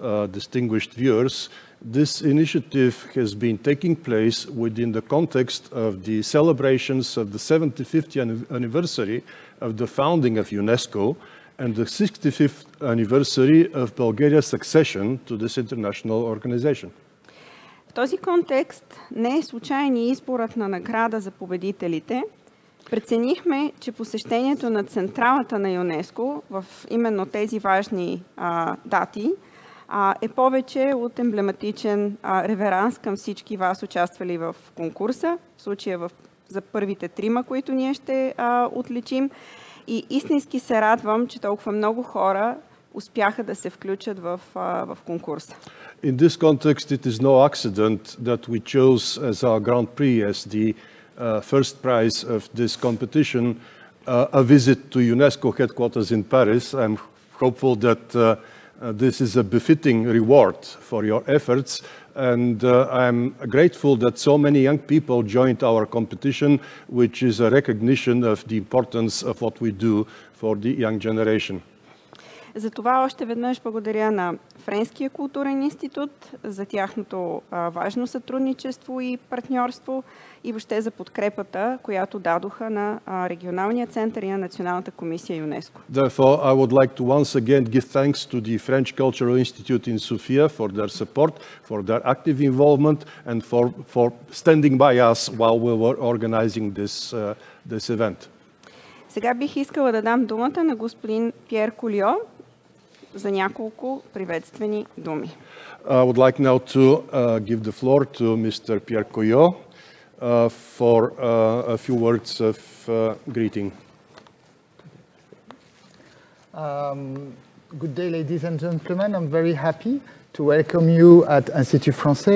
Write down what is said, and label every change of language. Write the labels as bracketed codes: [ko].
[en] Distinguished viewers, this initiative has been taking place within the context of the celebrations of the 75th anniversary of the founding of UNESCO and the 65th anniversary of Bulgaria's accession to this international organization. [bg] В този контекст не е случайен изборът на награда за победителите. Преценихме, че посещението на централата на ЮНЕСКО в именно тези важни дати е повече от емблематичен реверанс към всички вас, участвали в конкурса, в случая за първите трима, които ние ще отличим. И истински се радвам, че толкова много хора успяха да се включат в конкурса. [en] In this context, it is no accident that we chose as our Grand Prix, as the first prize of this competition, a visit to UNESCO headquarters in Paris. I'm hopeful that this is a befitting reward for your efforts. And I'm grateful that so many young people joined our competition, which is a recognition of the importance of what we do for the young generation. [bg] Затова още веднъж благодаря на Френския културен институт за тяхното важно сътрудничество и партньорство и въобще за подкрепата, която дадоха на регионалния център и на Националната комисия ЮНЕСКО. [en] Therefore, I would like to once again give thanks to the French Cultural Institute in Sofia for their support, for their active involvement and for standing by us while we were organizing this event. [bg] Сега бих искала да дам думата на господин Пьер Кулио за няколко приветствени думи. [en] I would like now to give the floor to Mr. Pierre Coyot for a few words of greeting. Good day, ladies and gentlemen. I'm very happy to welcome you at Institut Français.